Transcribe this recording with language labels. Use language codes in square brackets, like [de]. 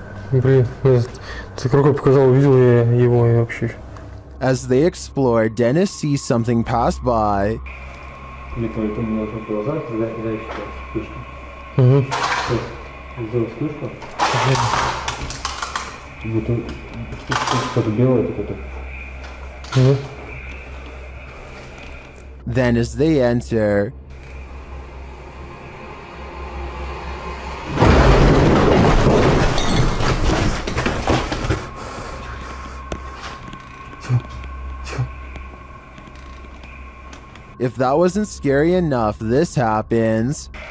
[ru] Блин, ты рукой показал, увидел я его и вообще. [en] As they explore, Dennis sees something pass by. [ru] Это у меня в глазах, когда я считаю вспышку. Угу. Сделал вспышку? Вот он, что-то белое какое-то. Угу. [en] Then as they enter, if that wasn't scary enough, this happens.